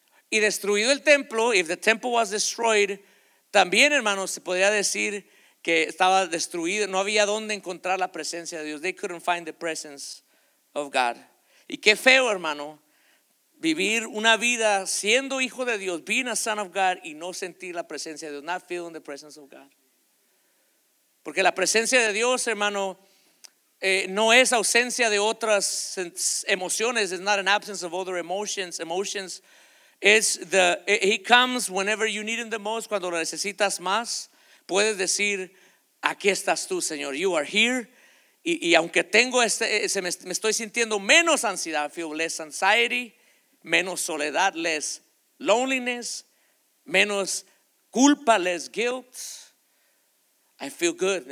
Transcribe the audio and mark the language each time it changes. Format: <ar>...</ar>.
<es>Y destruido el templo,</es> <en>if the temple was destroyed,</en> <es>también, hermanos, se podría decir que estaba destruido. No había dónde encontrar la presencia de Dios.</es> <en>They couldn't find the presence of God.</en> <es>Y qué feo, hermano, vivir una vida siendo hijo de Dios,</es> <en>being a son of God,</en> <es>y no sentir la presencia de Dios.</es> <en>Not feeling the presence of God.</en> <es>Porque la presencia de Dios, hermano, no es ausencia de otras emociones.</es> <en>It's not an absence of other emotions. Emotions, he comes whenever you need him the most.</en> <es>Cuando lo necesitas más, puedes decir, aquí estás tú, Señor.</es> <en>You are here.</en> <es>Y aunque tengo me estoy sintiendo menos ansiedad,</es> <en>I feel less anxiety,</en> <es>menos soledad,</es> <en>less loneliness,</en> <es>menos culpa,</es> <en>less guilt. I feel good.</en>